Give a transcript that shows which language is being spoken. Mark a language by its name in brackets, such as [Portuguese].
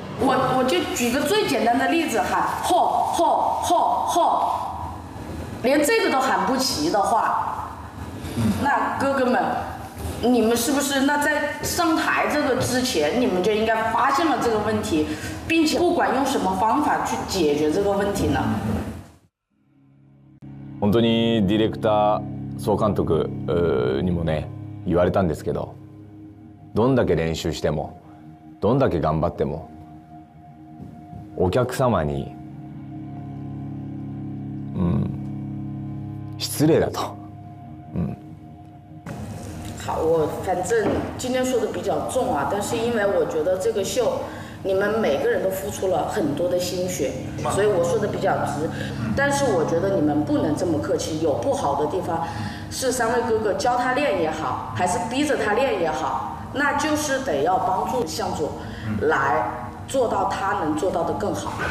[Chinese] 我就举个最简单的例子喊嚯嚯嚯嚯，连这个都喊不齐的话，那哥哥们，你们是不是那在上台这个之前，你们就应该发现了这个问题，并且不管用什么方法去解决这个问题呢？ [Japanese] 本当にディレクター総監督にもね言われたんですけど。どんだけ練習してもどんだけ頑張ってもお客様に、失礼だと、 [Chinese] 好我反正今天说的比较重啊但是因为我觉得这个秀你们每个人都付出了很多的心血所以我说的比较直但是我觉得你们不能这么客气有不好的地方是三位哥哥教他练也好还是逼着他练也好那就是得要帮助向佐来做到他能做到的更好